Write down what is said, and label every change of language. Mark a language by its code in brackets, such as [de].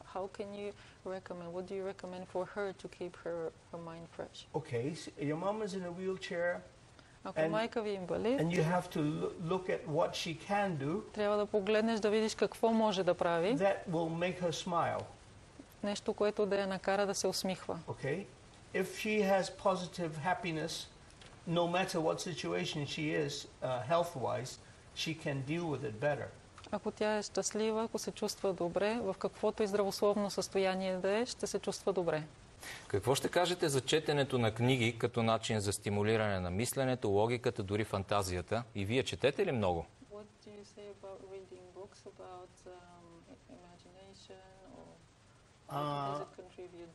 [en] How can you recommend, what do you recommend for her to keep her mind fresh? Okay, so your mom is in a wheelchair, and you have to look at what she can do. [bg] Трябва да погледнеш да видиш какво може да прави. [en] That will make her smile. [bg] Нещо, което да я накара да се усмихва. [en] Okay, if she has positive happiness, no matter what situation she is, health-wise, she can deal with it better. [bg] Ако тя е щастлива, ако се чувства добре, в каквото и здравословно състояние да е, ще се чувства добре. Какво ще кажете за четенето на книги като начин за стимулиране на мисленето, логиката, дори фантазията? И вие четете ли много? [en] What do you say about reading books about imagination or does it contribute?